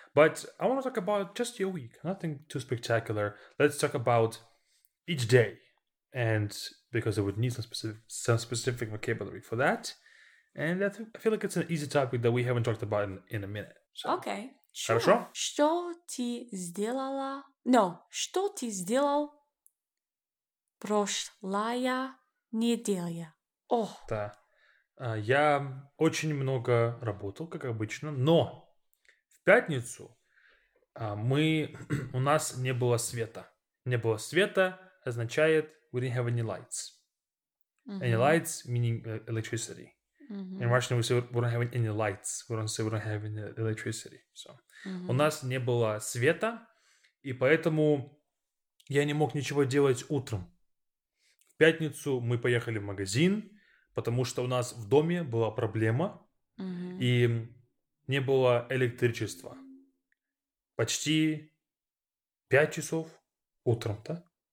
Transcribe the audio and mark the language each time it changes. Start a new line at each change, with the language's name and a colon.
English: But I want to talk about just your week. Nothing too spectacular. Let's talk about each day. And because it would need some specific vocabulary for that. And I feel like it's an easy topic that we haven't talked about in a minute. So. Okay. Sure.
Russian: Хорошо? Что ты сделала?
English: No.
Russian: Что ты сделал прошлая неделя? Oh. Да. Я очень много работал, как обычно, но в пятницу у нас не было света. Не было света означает
English: we didn't have any lights. Mm-hmm. Any lights meaning electricity. Mm-hmm. In Russian we say we don't have any lights. We don't say we don't have any electricity. So mm-hmm.
Russian: у нас не было света, и поэтому я не мог ничего делать утром. В пятницу мы поехали в магазин, потому что у нас в доме была проблема, mm-hmm. и не было электричества почти 5 часов утром, да?